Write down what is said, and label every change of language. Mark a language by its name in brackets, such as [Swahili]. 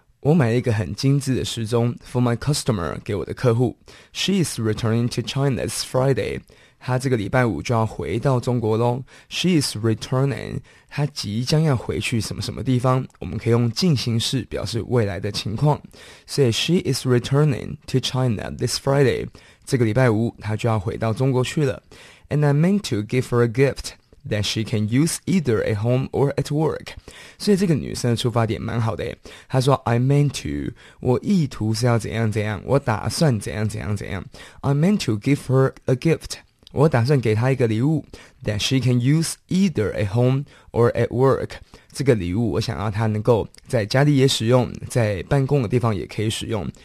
[Chinese] 我买了一个很精致的时钟 [English] for my customer, [Chinese] 给我的客户。 [English] She is returning to China this Friday. [Chinese] 他这个礼拜五就要回到中国咯。 [English] She is returning. [Chinese] 他即将要回去什么什么地方。我们可以用进行式表示未来的情况。所以 [English] She is returning to China this Friday. [Chinese] 这个礼拜五他就要回到中国去了。 [English] And I meant to give her a gift that she can use either at home or at work. [Chinese] 所以这个女生的出发点蛮好的。她说 [English] I meant to. [Chinese] 我意图是要怎样怎样。我打算怎样怎样怎样。 [English] I meant to give her a gift. [Chinese] 我打算给她一个礼物 [English] that she can use either at home or at work. [Chinese] 这个礼物我想要她能够在家里也使用，在办公的地方也可以使用。